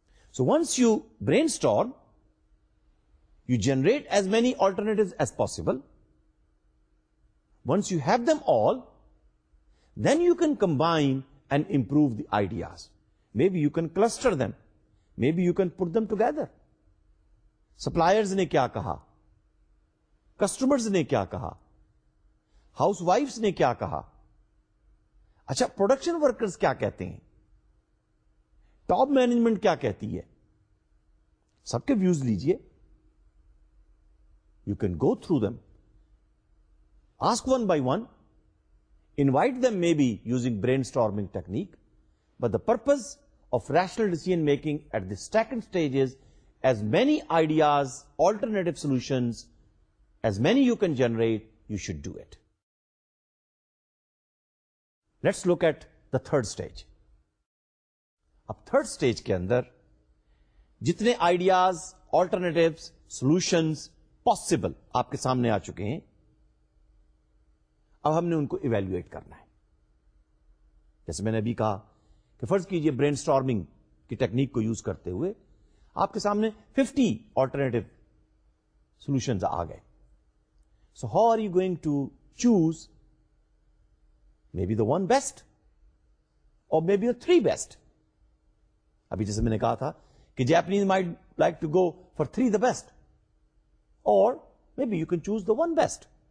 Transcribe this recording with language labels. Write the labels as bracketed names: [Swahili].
[English] So once you brainstorm, you generate as many alternatives as possible. Once you have them all, then you can combine and improve the ideas. Maybe you can cluster them. Maybe you can put them together. [Urdu] Suppliers نے کیا کہا, customers نے کیا کہا, housewives نے کیا کہا, اچھا production workers کیا کہتے ہیں, ٹاپ مینجمنٹ کیا کہتی ہے, سب کے ویوز لیجئے. [English] You can go through them, ask one by one, invite them maybe using brainstorming technique, but the purpose of rational decision making at the second stage is as many ideas alternative solutions as many you can generate you should do it. Let's look at the third stage. [Urdu] اب third stage کے اندر جتنے ideas, alternatives, solutions possible آپ کے سامنے آ چکے ہیں, اب ہم نے ان کو ایویلیویٹ کرنا ہے. جیسے میں نے ابھی کہا کہ فرض کیجئے برین اسٹارمنگ کی ٹیکنیک کو یوز کرتے ہوئے آپ کے سامنے 50 آلٹرنیٹو سولوشنز آ گئے. [English] So how are you going to choose maybe the one best اور maybe the three best. [Urdu] ابھی جیسے میں نے کہا تھا کہ [English] Japanese might like to go for three the best اور maybe you can choose the one best.